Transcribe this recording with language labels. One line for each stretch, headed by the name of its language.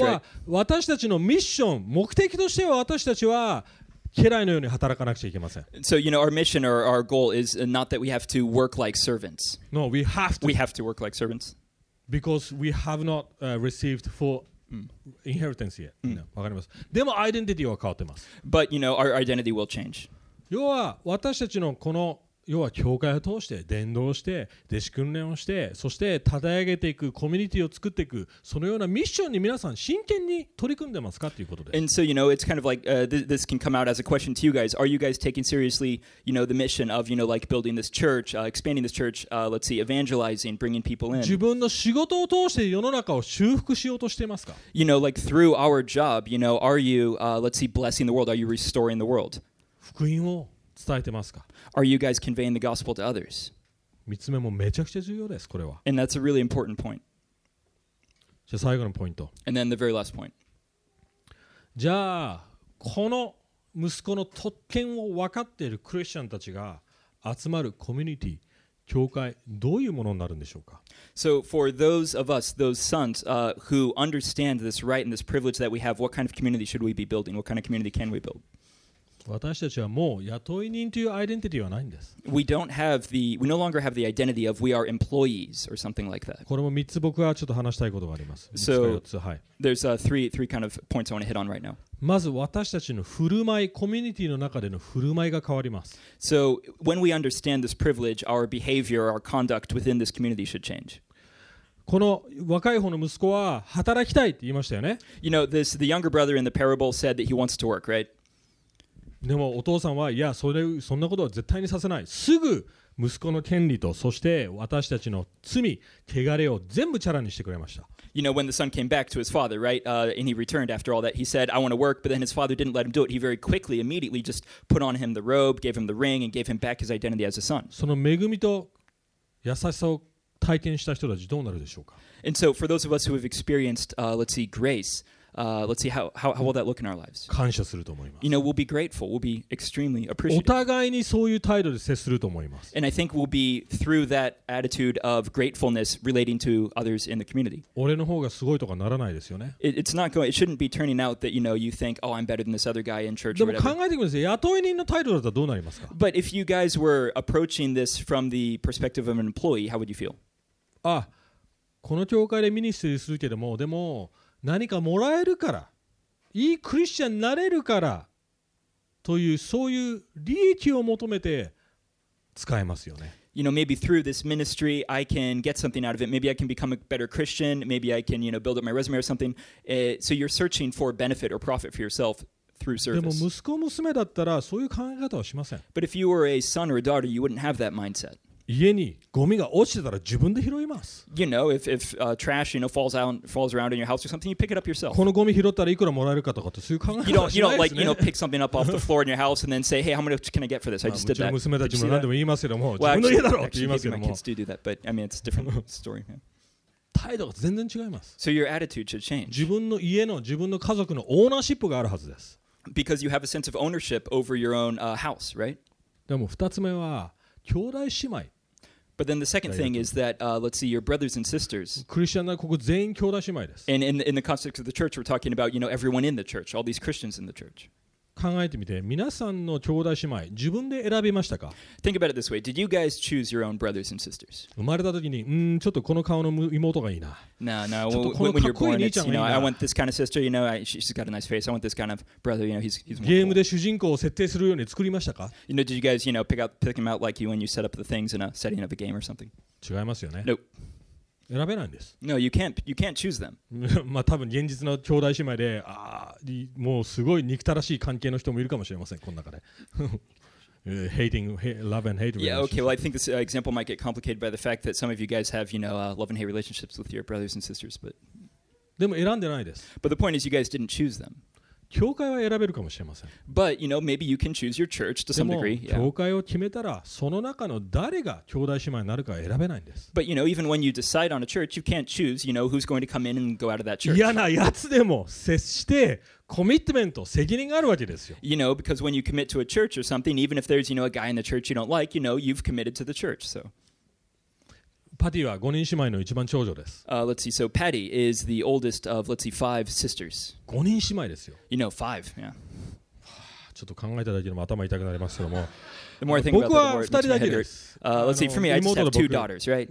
Japanese: 要は私たちのミッション、目的としては私たちは家来のように働かなくちゃいけません。
English: So, you know, our mission or our goal is not that we have to work like servants. No, we have to. We have to work like servants. Because we have not received full inheritance yet.
Japanese: No, わかります。でも、アイデンティティは変わってます。
English: But, you know, our identity will change.
Japanese: 要は、私たちのこの、要は、教会を通して、伝道して、弟子訓練をして、そして、立て上げていく、コミュニティを作っていく、そのようなミッションに皆さん、真剣に取り組んでますかということです。
English: And so, you know, it's kind of like, this can come out as a question to you guys. Are you guys taking seriously, you know, the mission of, you know, like building this church, expanding this church, let's see, evangelizing, bringing people in?
Japanese: 自分の仕事を通して世の中を修復しようとしていますか?
English: You know, like through our job, you know, are you, let's see, blessing the world? Are you restoring the world?
Japanese: 福音を伝えてますか?
English: Are you guys conveying the gospel to others?
Japanese: 3つ目もめちゃくちゃ重要です、これは。
English: And that's a really important point.
Japanese: じゃあ最後のポイント。
English: And then the very last point.
Japanese: じゃあこの息子の特権を分かっているクリスチャンたちが集まるコミュニティ、教会、どういうものになるんでしょうか?
English: So for those of us, those sons, who understand this right and this privilege that we have, what kind of community should we be building? What kind of community can we build?
Japanese: 私たちはもう雇い人というアイデンティティはないんです。
English: We don't have the, we no longer have the identity of we are employees or something like that.
Japanese: これも3つ僕はちょっと話したいことがあります。
English: So,
Japanese: 3つか4つ、はい。
English: There's three kind of points I want to hit on right now.
Japanese: まず私たちの振る舞い、コミュニティの中での振る舞いが変わります。
English: So, when we understand this privilege, our behavior, our conduct within this community should change.
Japanese: この若い方の息子は働きたいって言いましたよね。
English: You know, this, the younger brother in the parable said that he wants to work, right?
Japanese: でもお父さんは、いや、そんなことは絶対にさせない。すぐ息子の権利と、そして私たちの罪、汚れを全部チャラにしてくれました。
English: You know, when the son came back to his father, right? And he returned after all that, he said, I want to work, but then his father didn't let him do it. He very quickly, immediately just put on him the robe, gave him the ring, and gave him back his identity as a son.
Japanese: その恵みと優しさを体験した人たちどうなるでしょうか?
English: And so, for those of us who have experienced, let's see, grace, let's see, how will that look in our lives?
Japanese: 感謝すると思います。
English: You know, we'll be grateful. We'll be extremely appreciative.
Japanese: お互いにそういう態度で接すると思います。
English: And I think we'll be through that attitude of gratefulness relating to others in the community.
Japanese: 俺の方がすごいとかならないですよね。
English: It shouldn't be turning out that, you know, you think, oh, I'm better than this other guy in church or whatever.
Japanese: でも考えてください。雇い人の態度だったらどうなりますか?
English: But if you guys were approaching this from the perspective of an employee, how would you feel?
Japanese: あ、この教会でミニストリーするけども、でも、何かもらえるから、いいクリスチャンになれるからというそういう利益を求めて使えますよね。
English: You know, maybe through this ministry, I can get something out of it. Maybe I can become a better Christian. Maybe I can, you know, build up my resume or something. So you're searching for benefit or profit for yourself through service.
Japanese: でも息子娘だったらそういう考え方はしません。
English: But if you were a son or a daughter, you wouldn't have that mindset.
Japanese: 家にゴミが落ちてたら自分で拾います。
English: You know, if trash, you know, falls around in your house or something, you pick it up yourself.
Japanese: このゴミ拾ったらいくらもらえるかとかってそういう考え方はしないですね。
English: You don't like, you know, pick something up off the floor in your house and then say, hey, how much can I get for this? I just did that.
Japanese: うちの娘たちも何でも言いますけども、自分の家だろうって言いますけども。
English: Actually, maybe my kids do that, but I mean, it's a different story.
Japanese: 態度が全然違います。
English: So your attitude should change.
Japanese: 自分の家の、自分の家族のオーナーシップがあるはずです。
English: Because you have a sense of ownership over your own house, right?
Japanese: でも二つ目は、兄弟姉妹。
English: But then the second thing is that, let's see, your brothers and sisters.
Japanese: クリスチャンはここ全員兄弟姉妹です。
English: And in the context of the church, we're talking about, you know, everyone in the church, all these Christians in the church.
Japanese: 考えてみて、皆さんの兄弟姉妹、自分で選びましたか?
English: Think about it this way. Did you guys choose your own brothers and sisters?
Japanese: 生まれた時に、ちょっとこの顔の妹がいいな。
English: No. When you're born, it's, you know, I want this kind of sister, you know, she's got a nice face. I want this kind of brother, you know, he's more cool.
Japanese: ゲームで主人公を設定するように作りましたか?
English: You know, did you guys, you know, pick him out like you when you set up the things in a setting of a game or something?
Japanese: 違いますよね。
English: Nope.
Japanese: 選べないんです。
English: No, you can't choose them.
Japanese: まあ多分現実の兄弟姉妹で、もうすごい憎たらしい関係の人もいるかもしれません。この中で。
English: love and hate. Yeah, okay. Well, I think this example might get complicated by the fact that some of you guys have, you know, love and hate relationships with your brothers and sisters. But
Japanese: でも選んでないです。
English: But the point is, you guys didn't choose them.
Japanese: 教会は選べるかもしれません。
English: But you know, maybe you can choose your church to some degree.
Japanese: 教会を決めたら、その中の誰が兄弟姉妹になるか選べないんです。
English: But you know, even when you decide on a church, you can't choose, you know, who's going to come in and go out of that church.
Japanese: 嫌なやつでも接してコミットメント、責任があるわけですよ。
English: You know, because when you commit to a church or something, even if there's, you know, a guy in the church you don't like, you know, you've committed to the church. So,
Japanese: Patty は5人姉妹の一番長女です。
English: Let's see. So Patty is the oldest of, let's see, 5 sisters.
Japanese: 5人姉妹ですよ。
English: You know, 5, yeah.
Japanese: ちょっと考えただけでも頭痛くなりますけども。
English: The more I think about that, the more it makes my head hurt. Let's see, for me, I just have 2 daughters, right?